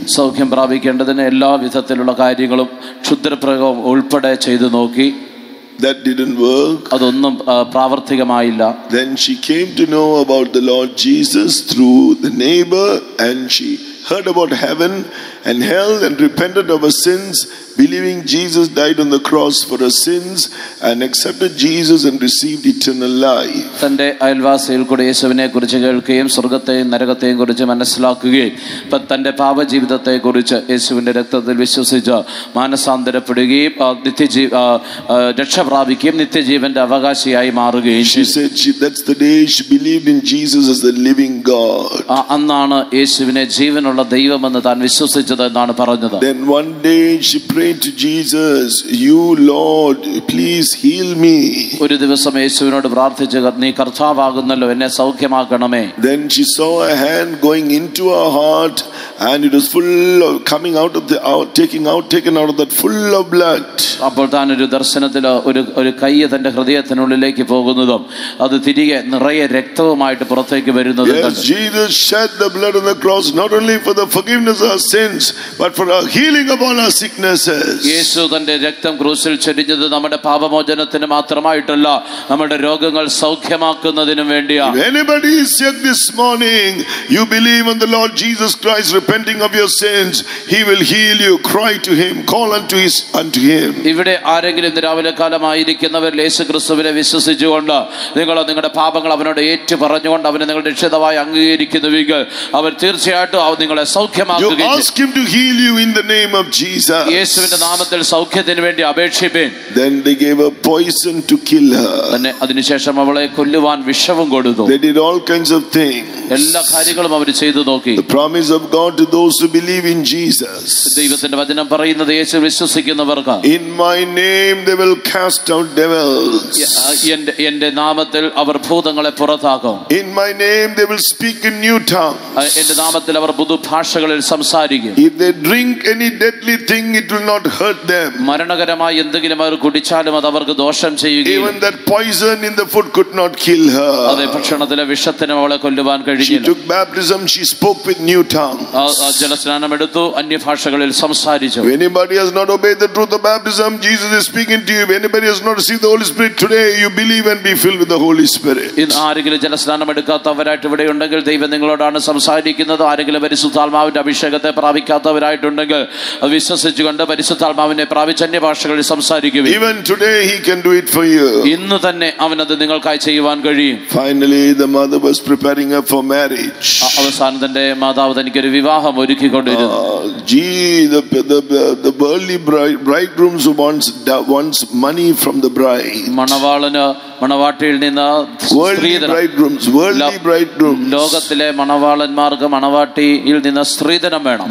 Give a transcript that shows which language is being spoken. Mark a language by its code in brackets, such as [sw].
[ml] സൗഖ്യം പ്രാപിക്കേണ്ടതിന് എല്ലാ വിധത്തിലുള്ള കാര്യങ്ങളും ക്ഷുദ്രപ്രയോഗം ഉൾപ്പെടെ ചെയ്തു നോക്കി. [en] That didn't work. [ml] അതൊന്നും പ്രാവർത്തികമായില്ല. [en] Then she came to know about the Lord Jesus through the neighbor, and she heard about heaven and hell and repented of her sins, believing Jesus died on the cross for her sins and accepted Jesus and received eternal life. [ml] തന്റെ അയൽവാസിയിൽ കൂടെ യേശുവിനെ കുറിച്ച് കേൾക്കുകയും സ്വർഗത്തെയും നരകത്തെയും കുറിച്ച് മനസ്സിലാക്കുകയും തന്റെ പാപജീവിതത്തെ കുറിച്ച് യേശുവിന്റെ രക്തത്തിൽ വിശ്വസിച്ച് മാനസാന്തരപ്പെടുകയും നിത്യജീവ രക്ഷ പ്രാപിക്കുകയും നിത്യജീവന്റെ അവകാശിയായി മാറുകയും. [en] She said she, that's the day she believed in Jesus as the living God. [ml] അന്നാണ് യേശുവിനെ ജീവനുള്ള ദൈവമെന്ന് താൻ വിശ്വസിച്ചത് എന്നാണ് പറഞ്ഞത്. [en] Then one day she prayed to Jesus, "You Lord, please heal me." [ml] ഒരു ദിവസം യേശുവിനോട് പ്രാർത്ഥിച്ചു, നീ കർത്താവാകുന്നല്ലോ എന്നെ സൗഖ്യമാക്കണമേ. [en] Then she saw a hand going into her heart, and it was full of coming out of the out, taking out taken out of that full of blood. [ml] അപ്പോൾ താൻ ഒരു ദർശനത്തിൽ ഒരു കൈ തന്റെ ഹൃദയത്തിനുള്ളിലേക്ക് പോകുന്നതും അത് തിരികെ നിറയെ രക്തവുമായിട്ട് പുറത്തേക്ക് വരുന്നതും. [en] Yes, Jesus shed the blood on the cross not only for the forgiveness of our sins but for our healing of all our sicknesses. [ml] യേശു തന്റെ രക്തം ക്രൂശിൽ ചൊരിഞ്ഞത് നമ്മുടെ പാപമോചനത്തിന് മാത്രമായിട്ടല്ല, നമ്മുടെ രോഗങ്ങൾ സൗഖ്യമാക്കുന്നതിനും വേണ്ടിയാണ്. [en] If anybody is here this morning, you believe on the Lord Jesus Christ, repenting of your sins, he will heal you. Cry to him, call unto him. [ml] ഇവിടെ ആരെങ്കിലും രാവിലെ കാലമായിരിക്കുന്നവർ യേശുക്രിസ്തുവിനെ വിശ്വസിച്ചുകൊണ്ട് നിങ്ങൾ നിങ്ങളുടെ പാപങ്ങൾ അവനോട് ഏറ്റു പറഞ്ഞുകൊണ്ട് അവനെ നിങ്ങളുടെ രക്ഷിതാവായി അംഗീകരിക്കുന്നുവെങ്കിൽ അവൻ തീർച്ചയായിട്ടും നിങ്ങളെ സൗഖ്യമാക്കുകയും. [en] him to heal you in the name of Jesus. [ml] യേശുവിന്റെ നാമത്തിൽ സൗഖ്യത്തിനു വേണ്ടി അപേക്ഷിപ്പിൻ. [en] Then they gave a poison to kill her. [ml] പിന്നെ അതിനുശേഷം അവളെ കൊല്ലുവാൻ വിഷവും കൊടുത്തു. [en] They did all kinds of things. [ml] എല്ലാ കാര്യങ്ങളും അവർ ചെയ്തു നോക്കി. [en] The promise of God to those who believe in Jesus. [ml] ദൈവത്തിന്റെ വചനം പറയുന്നത് യേശു വിശ്വസിക്കുന്നവർക്ക്. [en] In my name they will cast out devils. [ml] എന്റെ നാമത്തിൽ അവർ ഭൂതങ്ങളെ പുറത്താക്കും. [en] In my name they will speak in new tongues. [ml] എന്റെ നാമത്തിൽ അവർ പുതുഭാഷകളിൽ സംസാരിക്കും. [en] If they drink any deadly thing it will not hurt them. [ml] മരണകരമായ എന്തെങ്കിലും അവർ കുടിച്ചാലും അത് അവർക്ക് ദോഷം ചെയ്യുകയില്ല. [en] Even that poison in the food could not kill her. [ml] അതേ ഭക്ഷണത്തിലെ വിഷത്തിനെ അവളെ കൊല്ലുവാൻ കഴിഞ്ഞില്ല. [en] She took baptism, she spoke with new tongues. [ml] ജലസ്നാനം എടുത്തു, അന്യഭാഷകളിൽ സംസാരിച്ചു. [en] Anybody has not obeyed the truth of baptism, Jesus is speaking to you. Anybody has not received the Holy Spirit today, you believe and be filled with the Holy Spirit. [ml] ഇന്ന് ആരെങ്കിലും ജലസ്നാനം എടുക്കാത്തവരായിട്ട് ഇവിടെ ഉണ്ടെങ്കിൽ ദൈവം നിങ്ങളോടാണ് സംസാരിക്കുന്നത്. ആരെങ്കിലും പരിശുദ്ധാത്മാവിന്റെ അഭിഷേകത്തെ പ്രാപിക്കാത്തവരായിട്ടുണ്ടെങ്കിൽ വിശ്വസിച്ചുകൊണ്ട് പരിശുദ്ധാത്മാവിനെ പ്രാപിച്ച അന്യഭാഷകളിൽ സംസാരിക്കുക. [en] Even today he can do it for you. [ml] ഇന്ന് തന്നെ അവൻ അത് നിങ്ങൾക്കായി ചെയ്യുവാൻ കഴിയും. [en] Finally the mother was preparing up for marriage. [ml] അവസാനം തന്നെ മാതാവ് തനിക്ക് ഒരു വിവാഹം ഒരുക്കിക്കൊണ്ടിരുന്നു. [en] The worldly bridegrooms wants money from the bride. [ml] മണവാളനെ മണവാട്ടിയിൽ നിന്ന് [en] worldly bridegrooms [ml] ലോകത്തിലെ മണവാളന്മാർക്ക് മണവാട്ടിയിൽ നിന്ന് സ്ത്രീധനം വേണം.